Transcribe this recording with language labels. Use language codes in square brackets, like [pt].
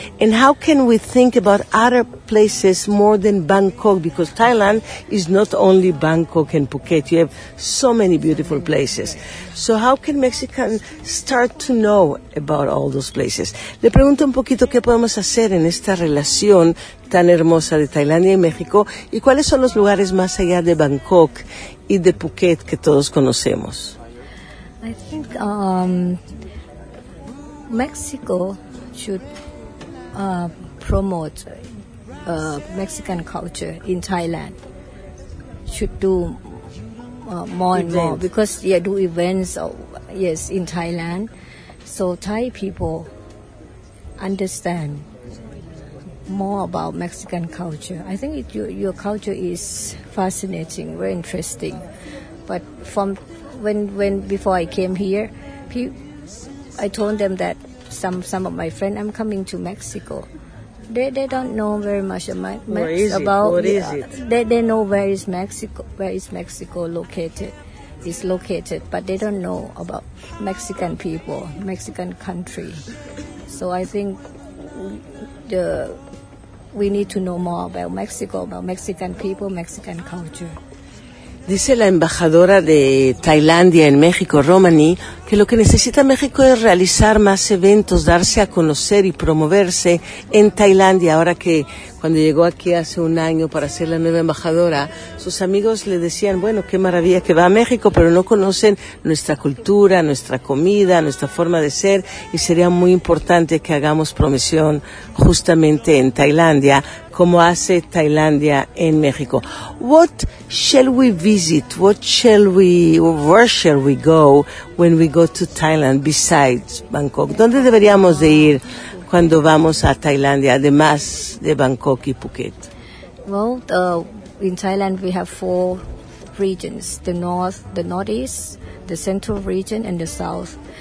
[en] And how can we think about other places more than Bangkok? Because Thailand is not only Bangkok and Phuket. You have so many beautiful places. So how can Mexicans start to know about all those places? [es] Le pregunto un poquito qué podemos hacer en esta relación tan hermosa de Tailandia y México y cuáles son los lugares más allá de Bangkok y de Phuket que todos conocemos. [en] I think Mexico should promote Mexican culture in Thailand. Should do more and more because do events in Thailand, so Thai people understand more about Mexican culture. I think your culture is fascinating, very interesting, but from when before I came here, I told them that some of my friends, I'm coming to Mexico. They don't know very much about. What is it? They know where is Mexico. Where is Mexico located? Is located, but they don't know about Mexican people, Mexican country. So I think we need to know more about Mexico, about Mexican people, Mexican culture. [es] Dice la embajadora de Tailandia en México, Romani, que lo que necesita México es realizar más eventos, darse a conocer y promoverse en Tailandia. Ahora que cuando llegó aquí hace un año para ser la nueva embajadora, sus amigos le decían, bueno, qué maravilla que va a México, pero no conocen nuestra cultura, nuestra comida, nuestra forma de ser, y sería muy importante que hagamos promoción justamente en Tailandia, como hace Tailandia en México. [en] What shall we visit? Where shall we go when we go to Thailand besides Bangkok? [es] ¿Dónde deberíamos de ir cuando vamos a Tailandia, además de Bangkok y Phuket? [en] Well, in Thailand we have four regions: the north, the northeast, the central region, and the south.